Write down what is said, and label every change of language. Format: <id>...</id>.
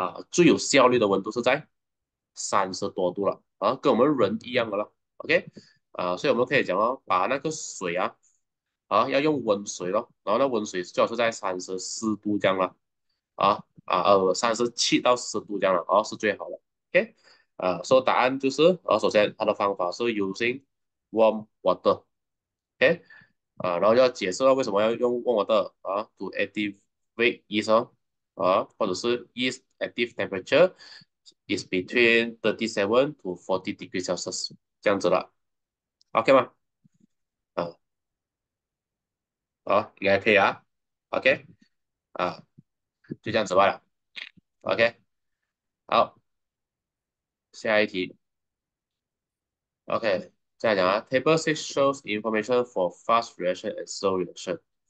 <zh>最有效率的温度是在30多度了，跟我们人一样的了。 OK，所以我们可以讲哦，把那个水要用温水咯，然后那温水就是在34度这样了，37到40度这样了，是最好的。 OK。所以答案就是，首先它的方法是</zh> <en>using warm water，</en> <zh>OK，然后要解释了为什么要用</zh> <en>warm water to activate yeast</en> <zh>或者是</zh> <en>yeast active temperature is between 37 to 40 degrees Celsius</en> <zh>这样子了，OK 吗？好，应该可以啊，OK，就这样子罢了，OK，好。下一题，OK，再讲啊。</zh> <en>Table 6 shows information for fast reaction and slow reaction。</en>